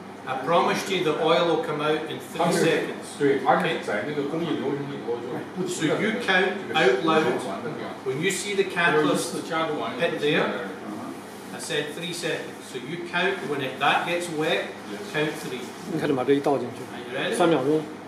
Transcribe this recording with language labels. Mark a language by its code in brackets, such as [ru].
[en] I promised you the oil will come out in 3 seconds. [zh] 对，而且在那个工业流程里头就。 [en] So you count out loud when you see the catalyst hit there. I said 3 seconds. So you count when it, that gets wet. Count 3. [zh] 你看，就把这一倒进去，三秒钟。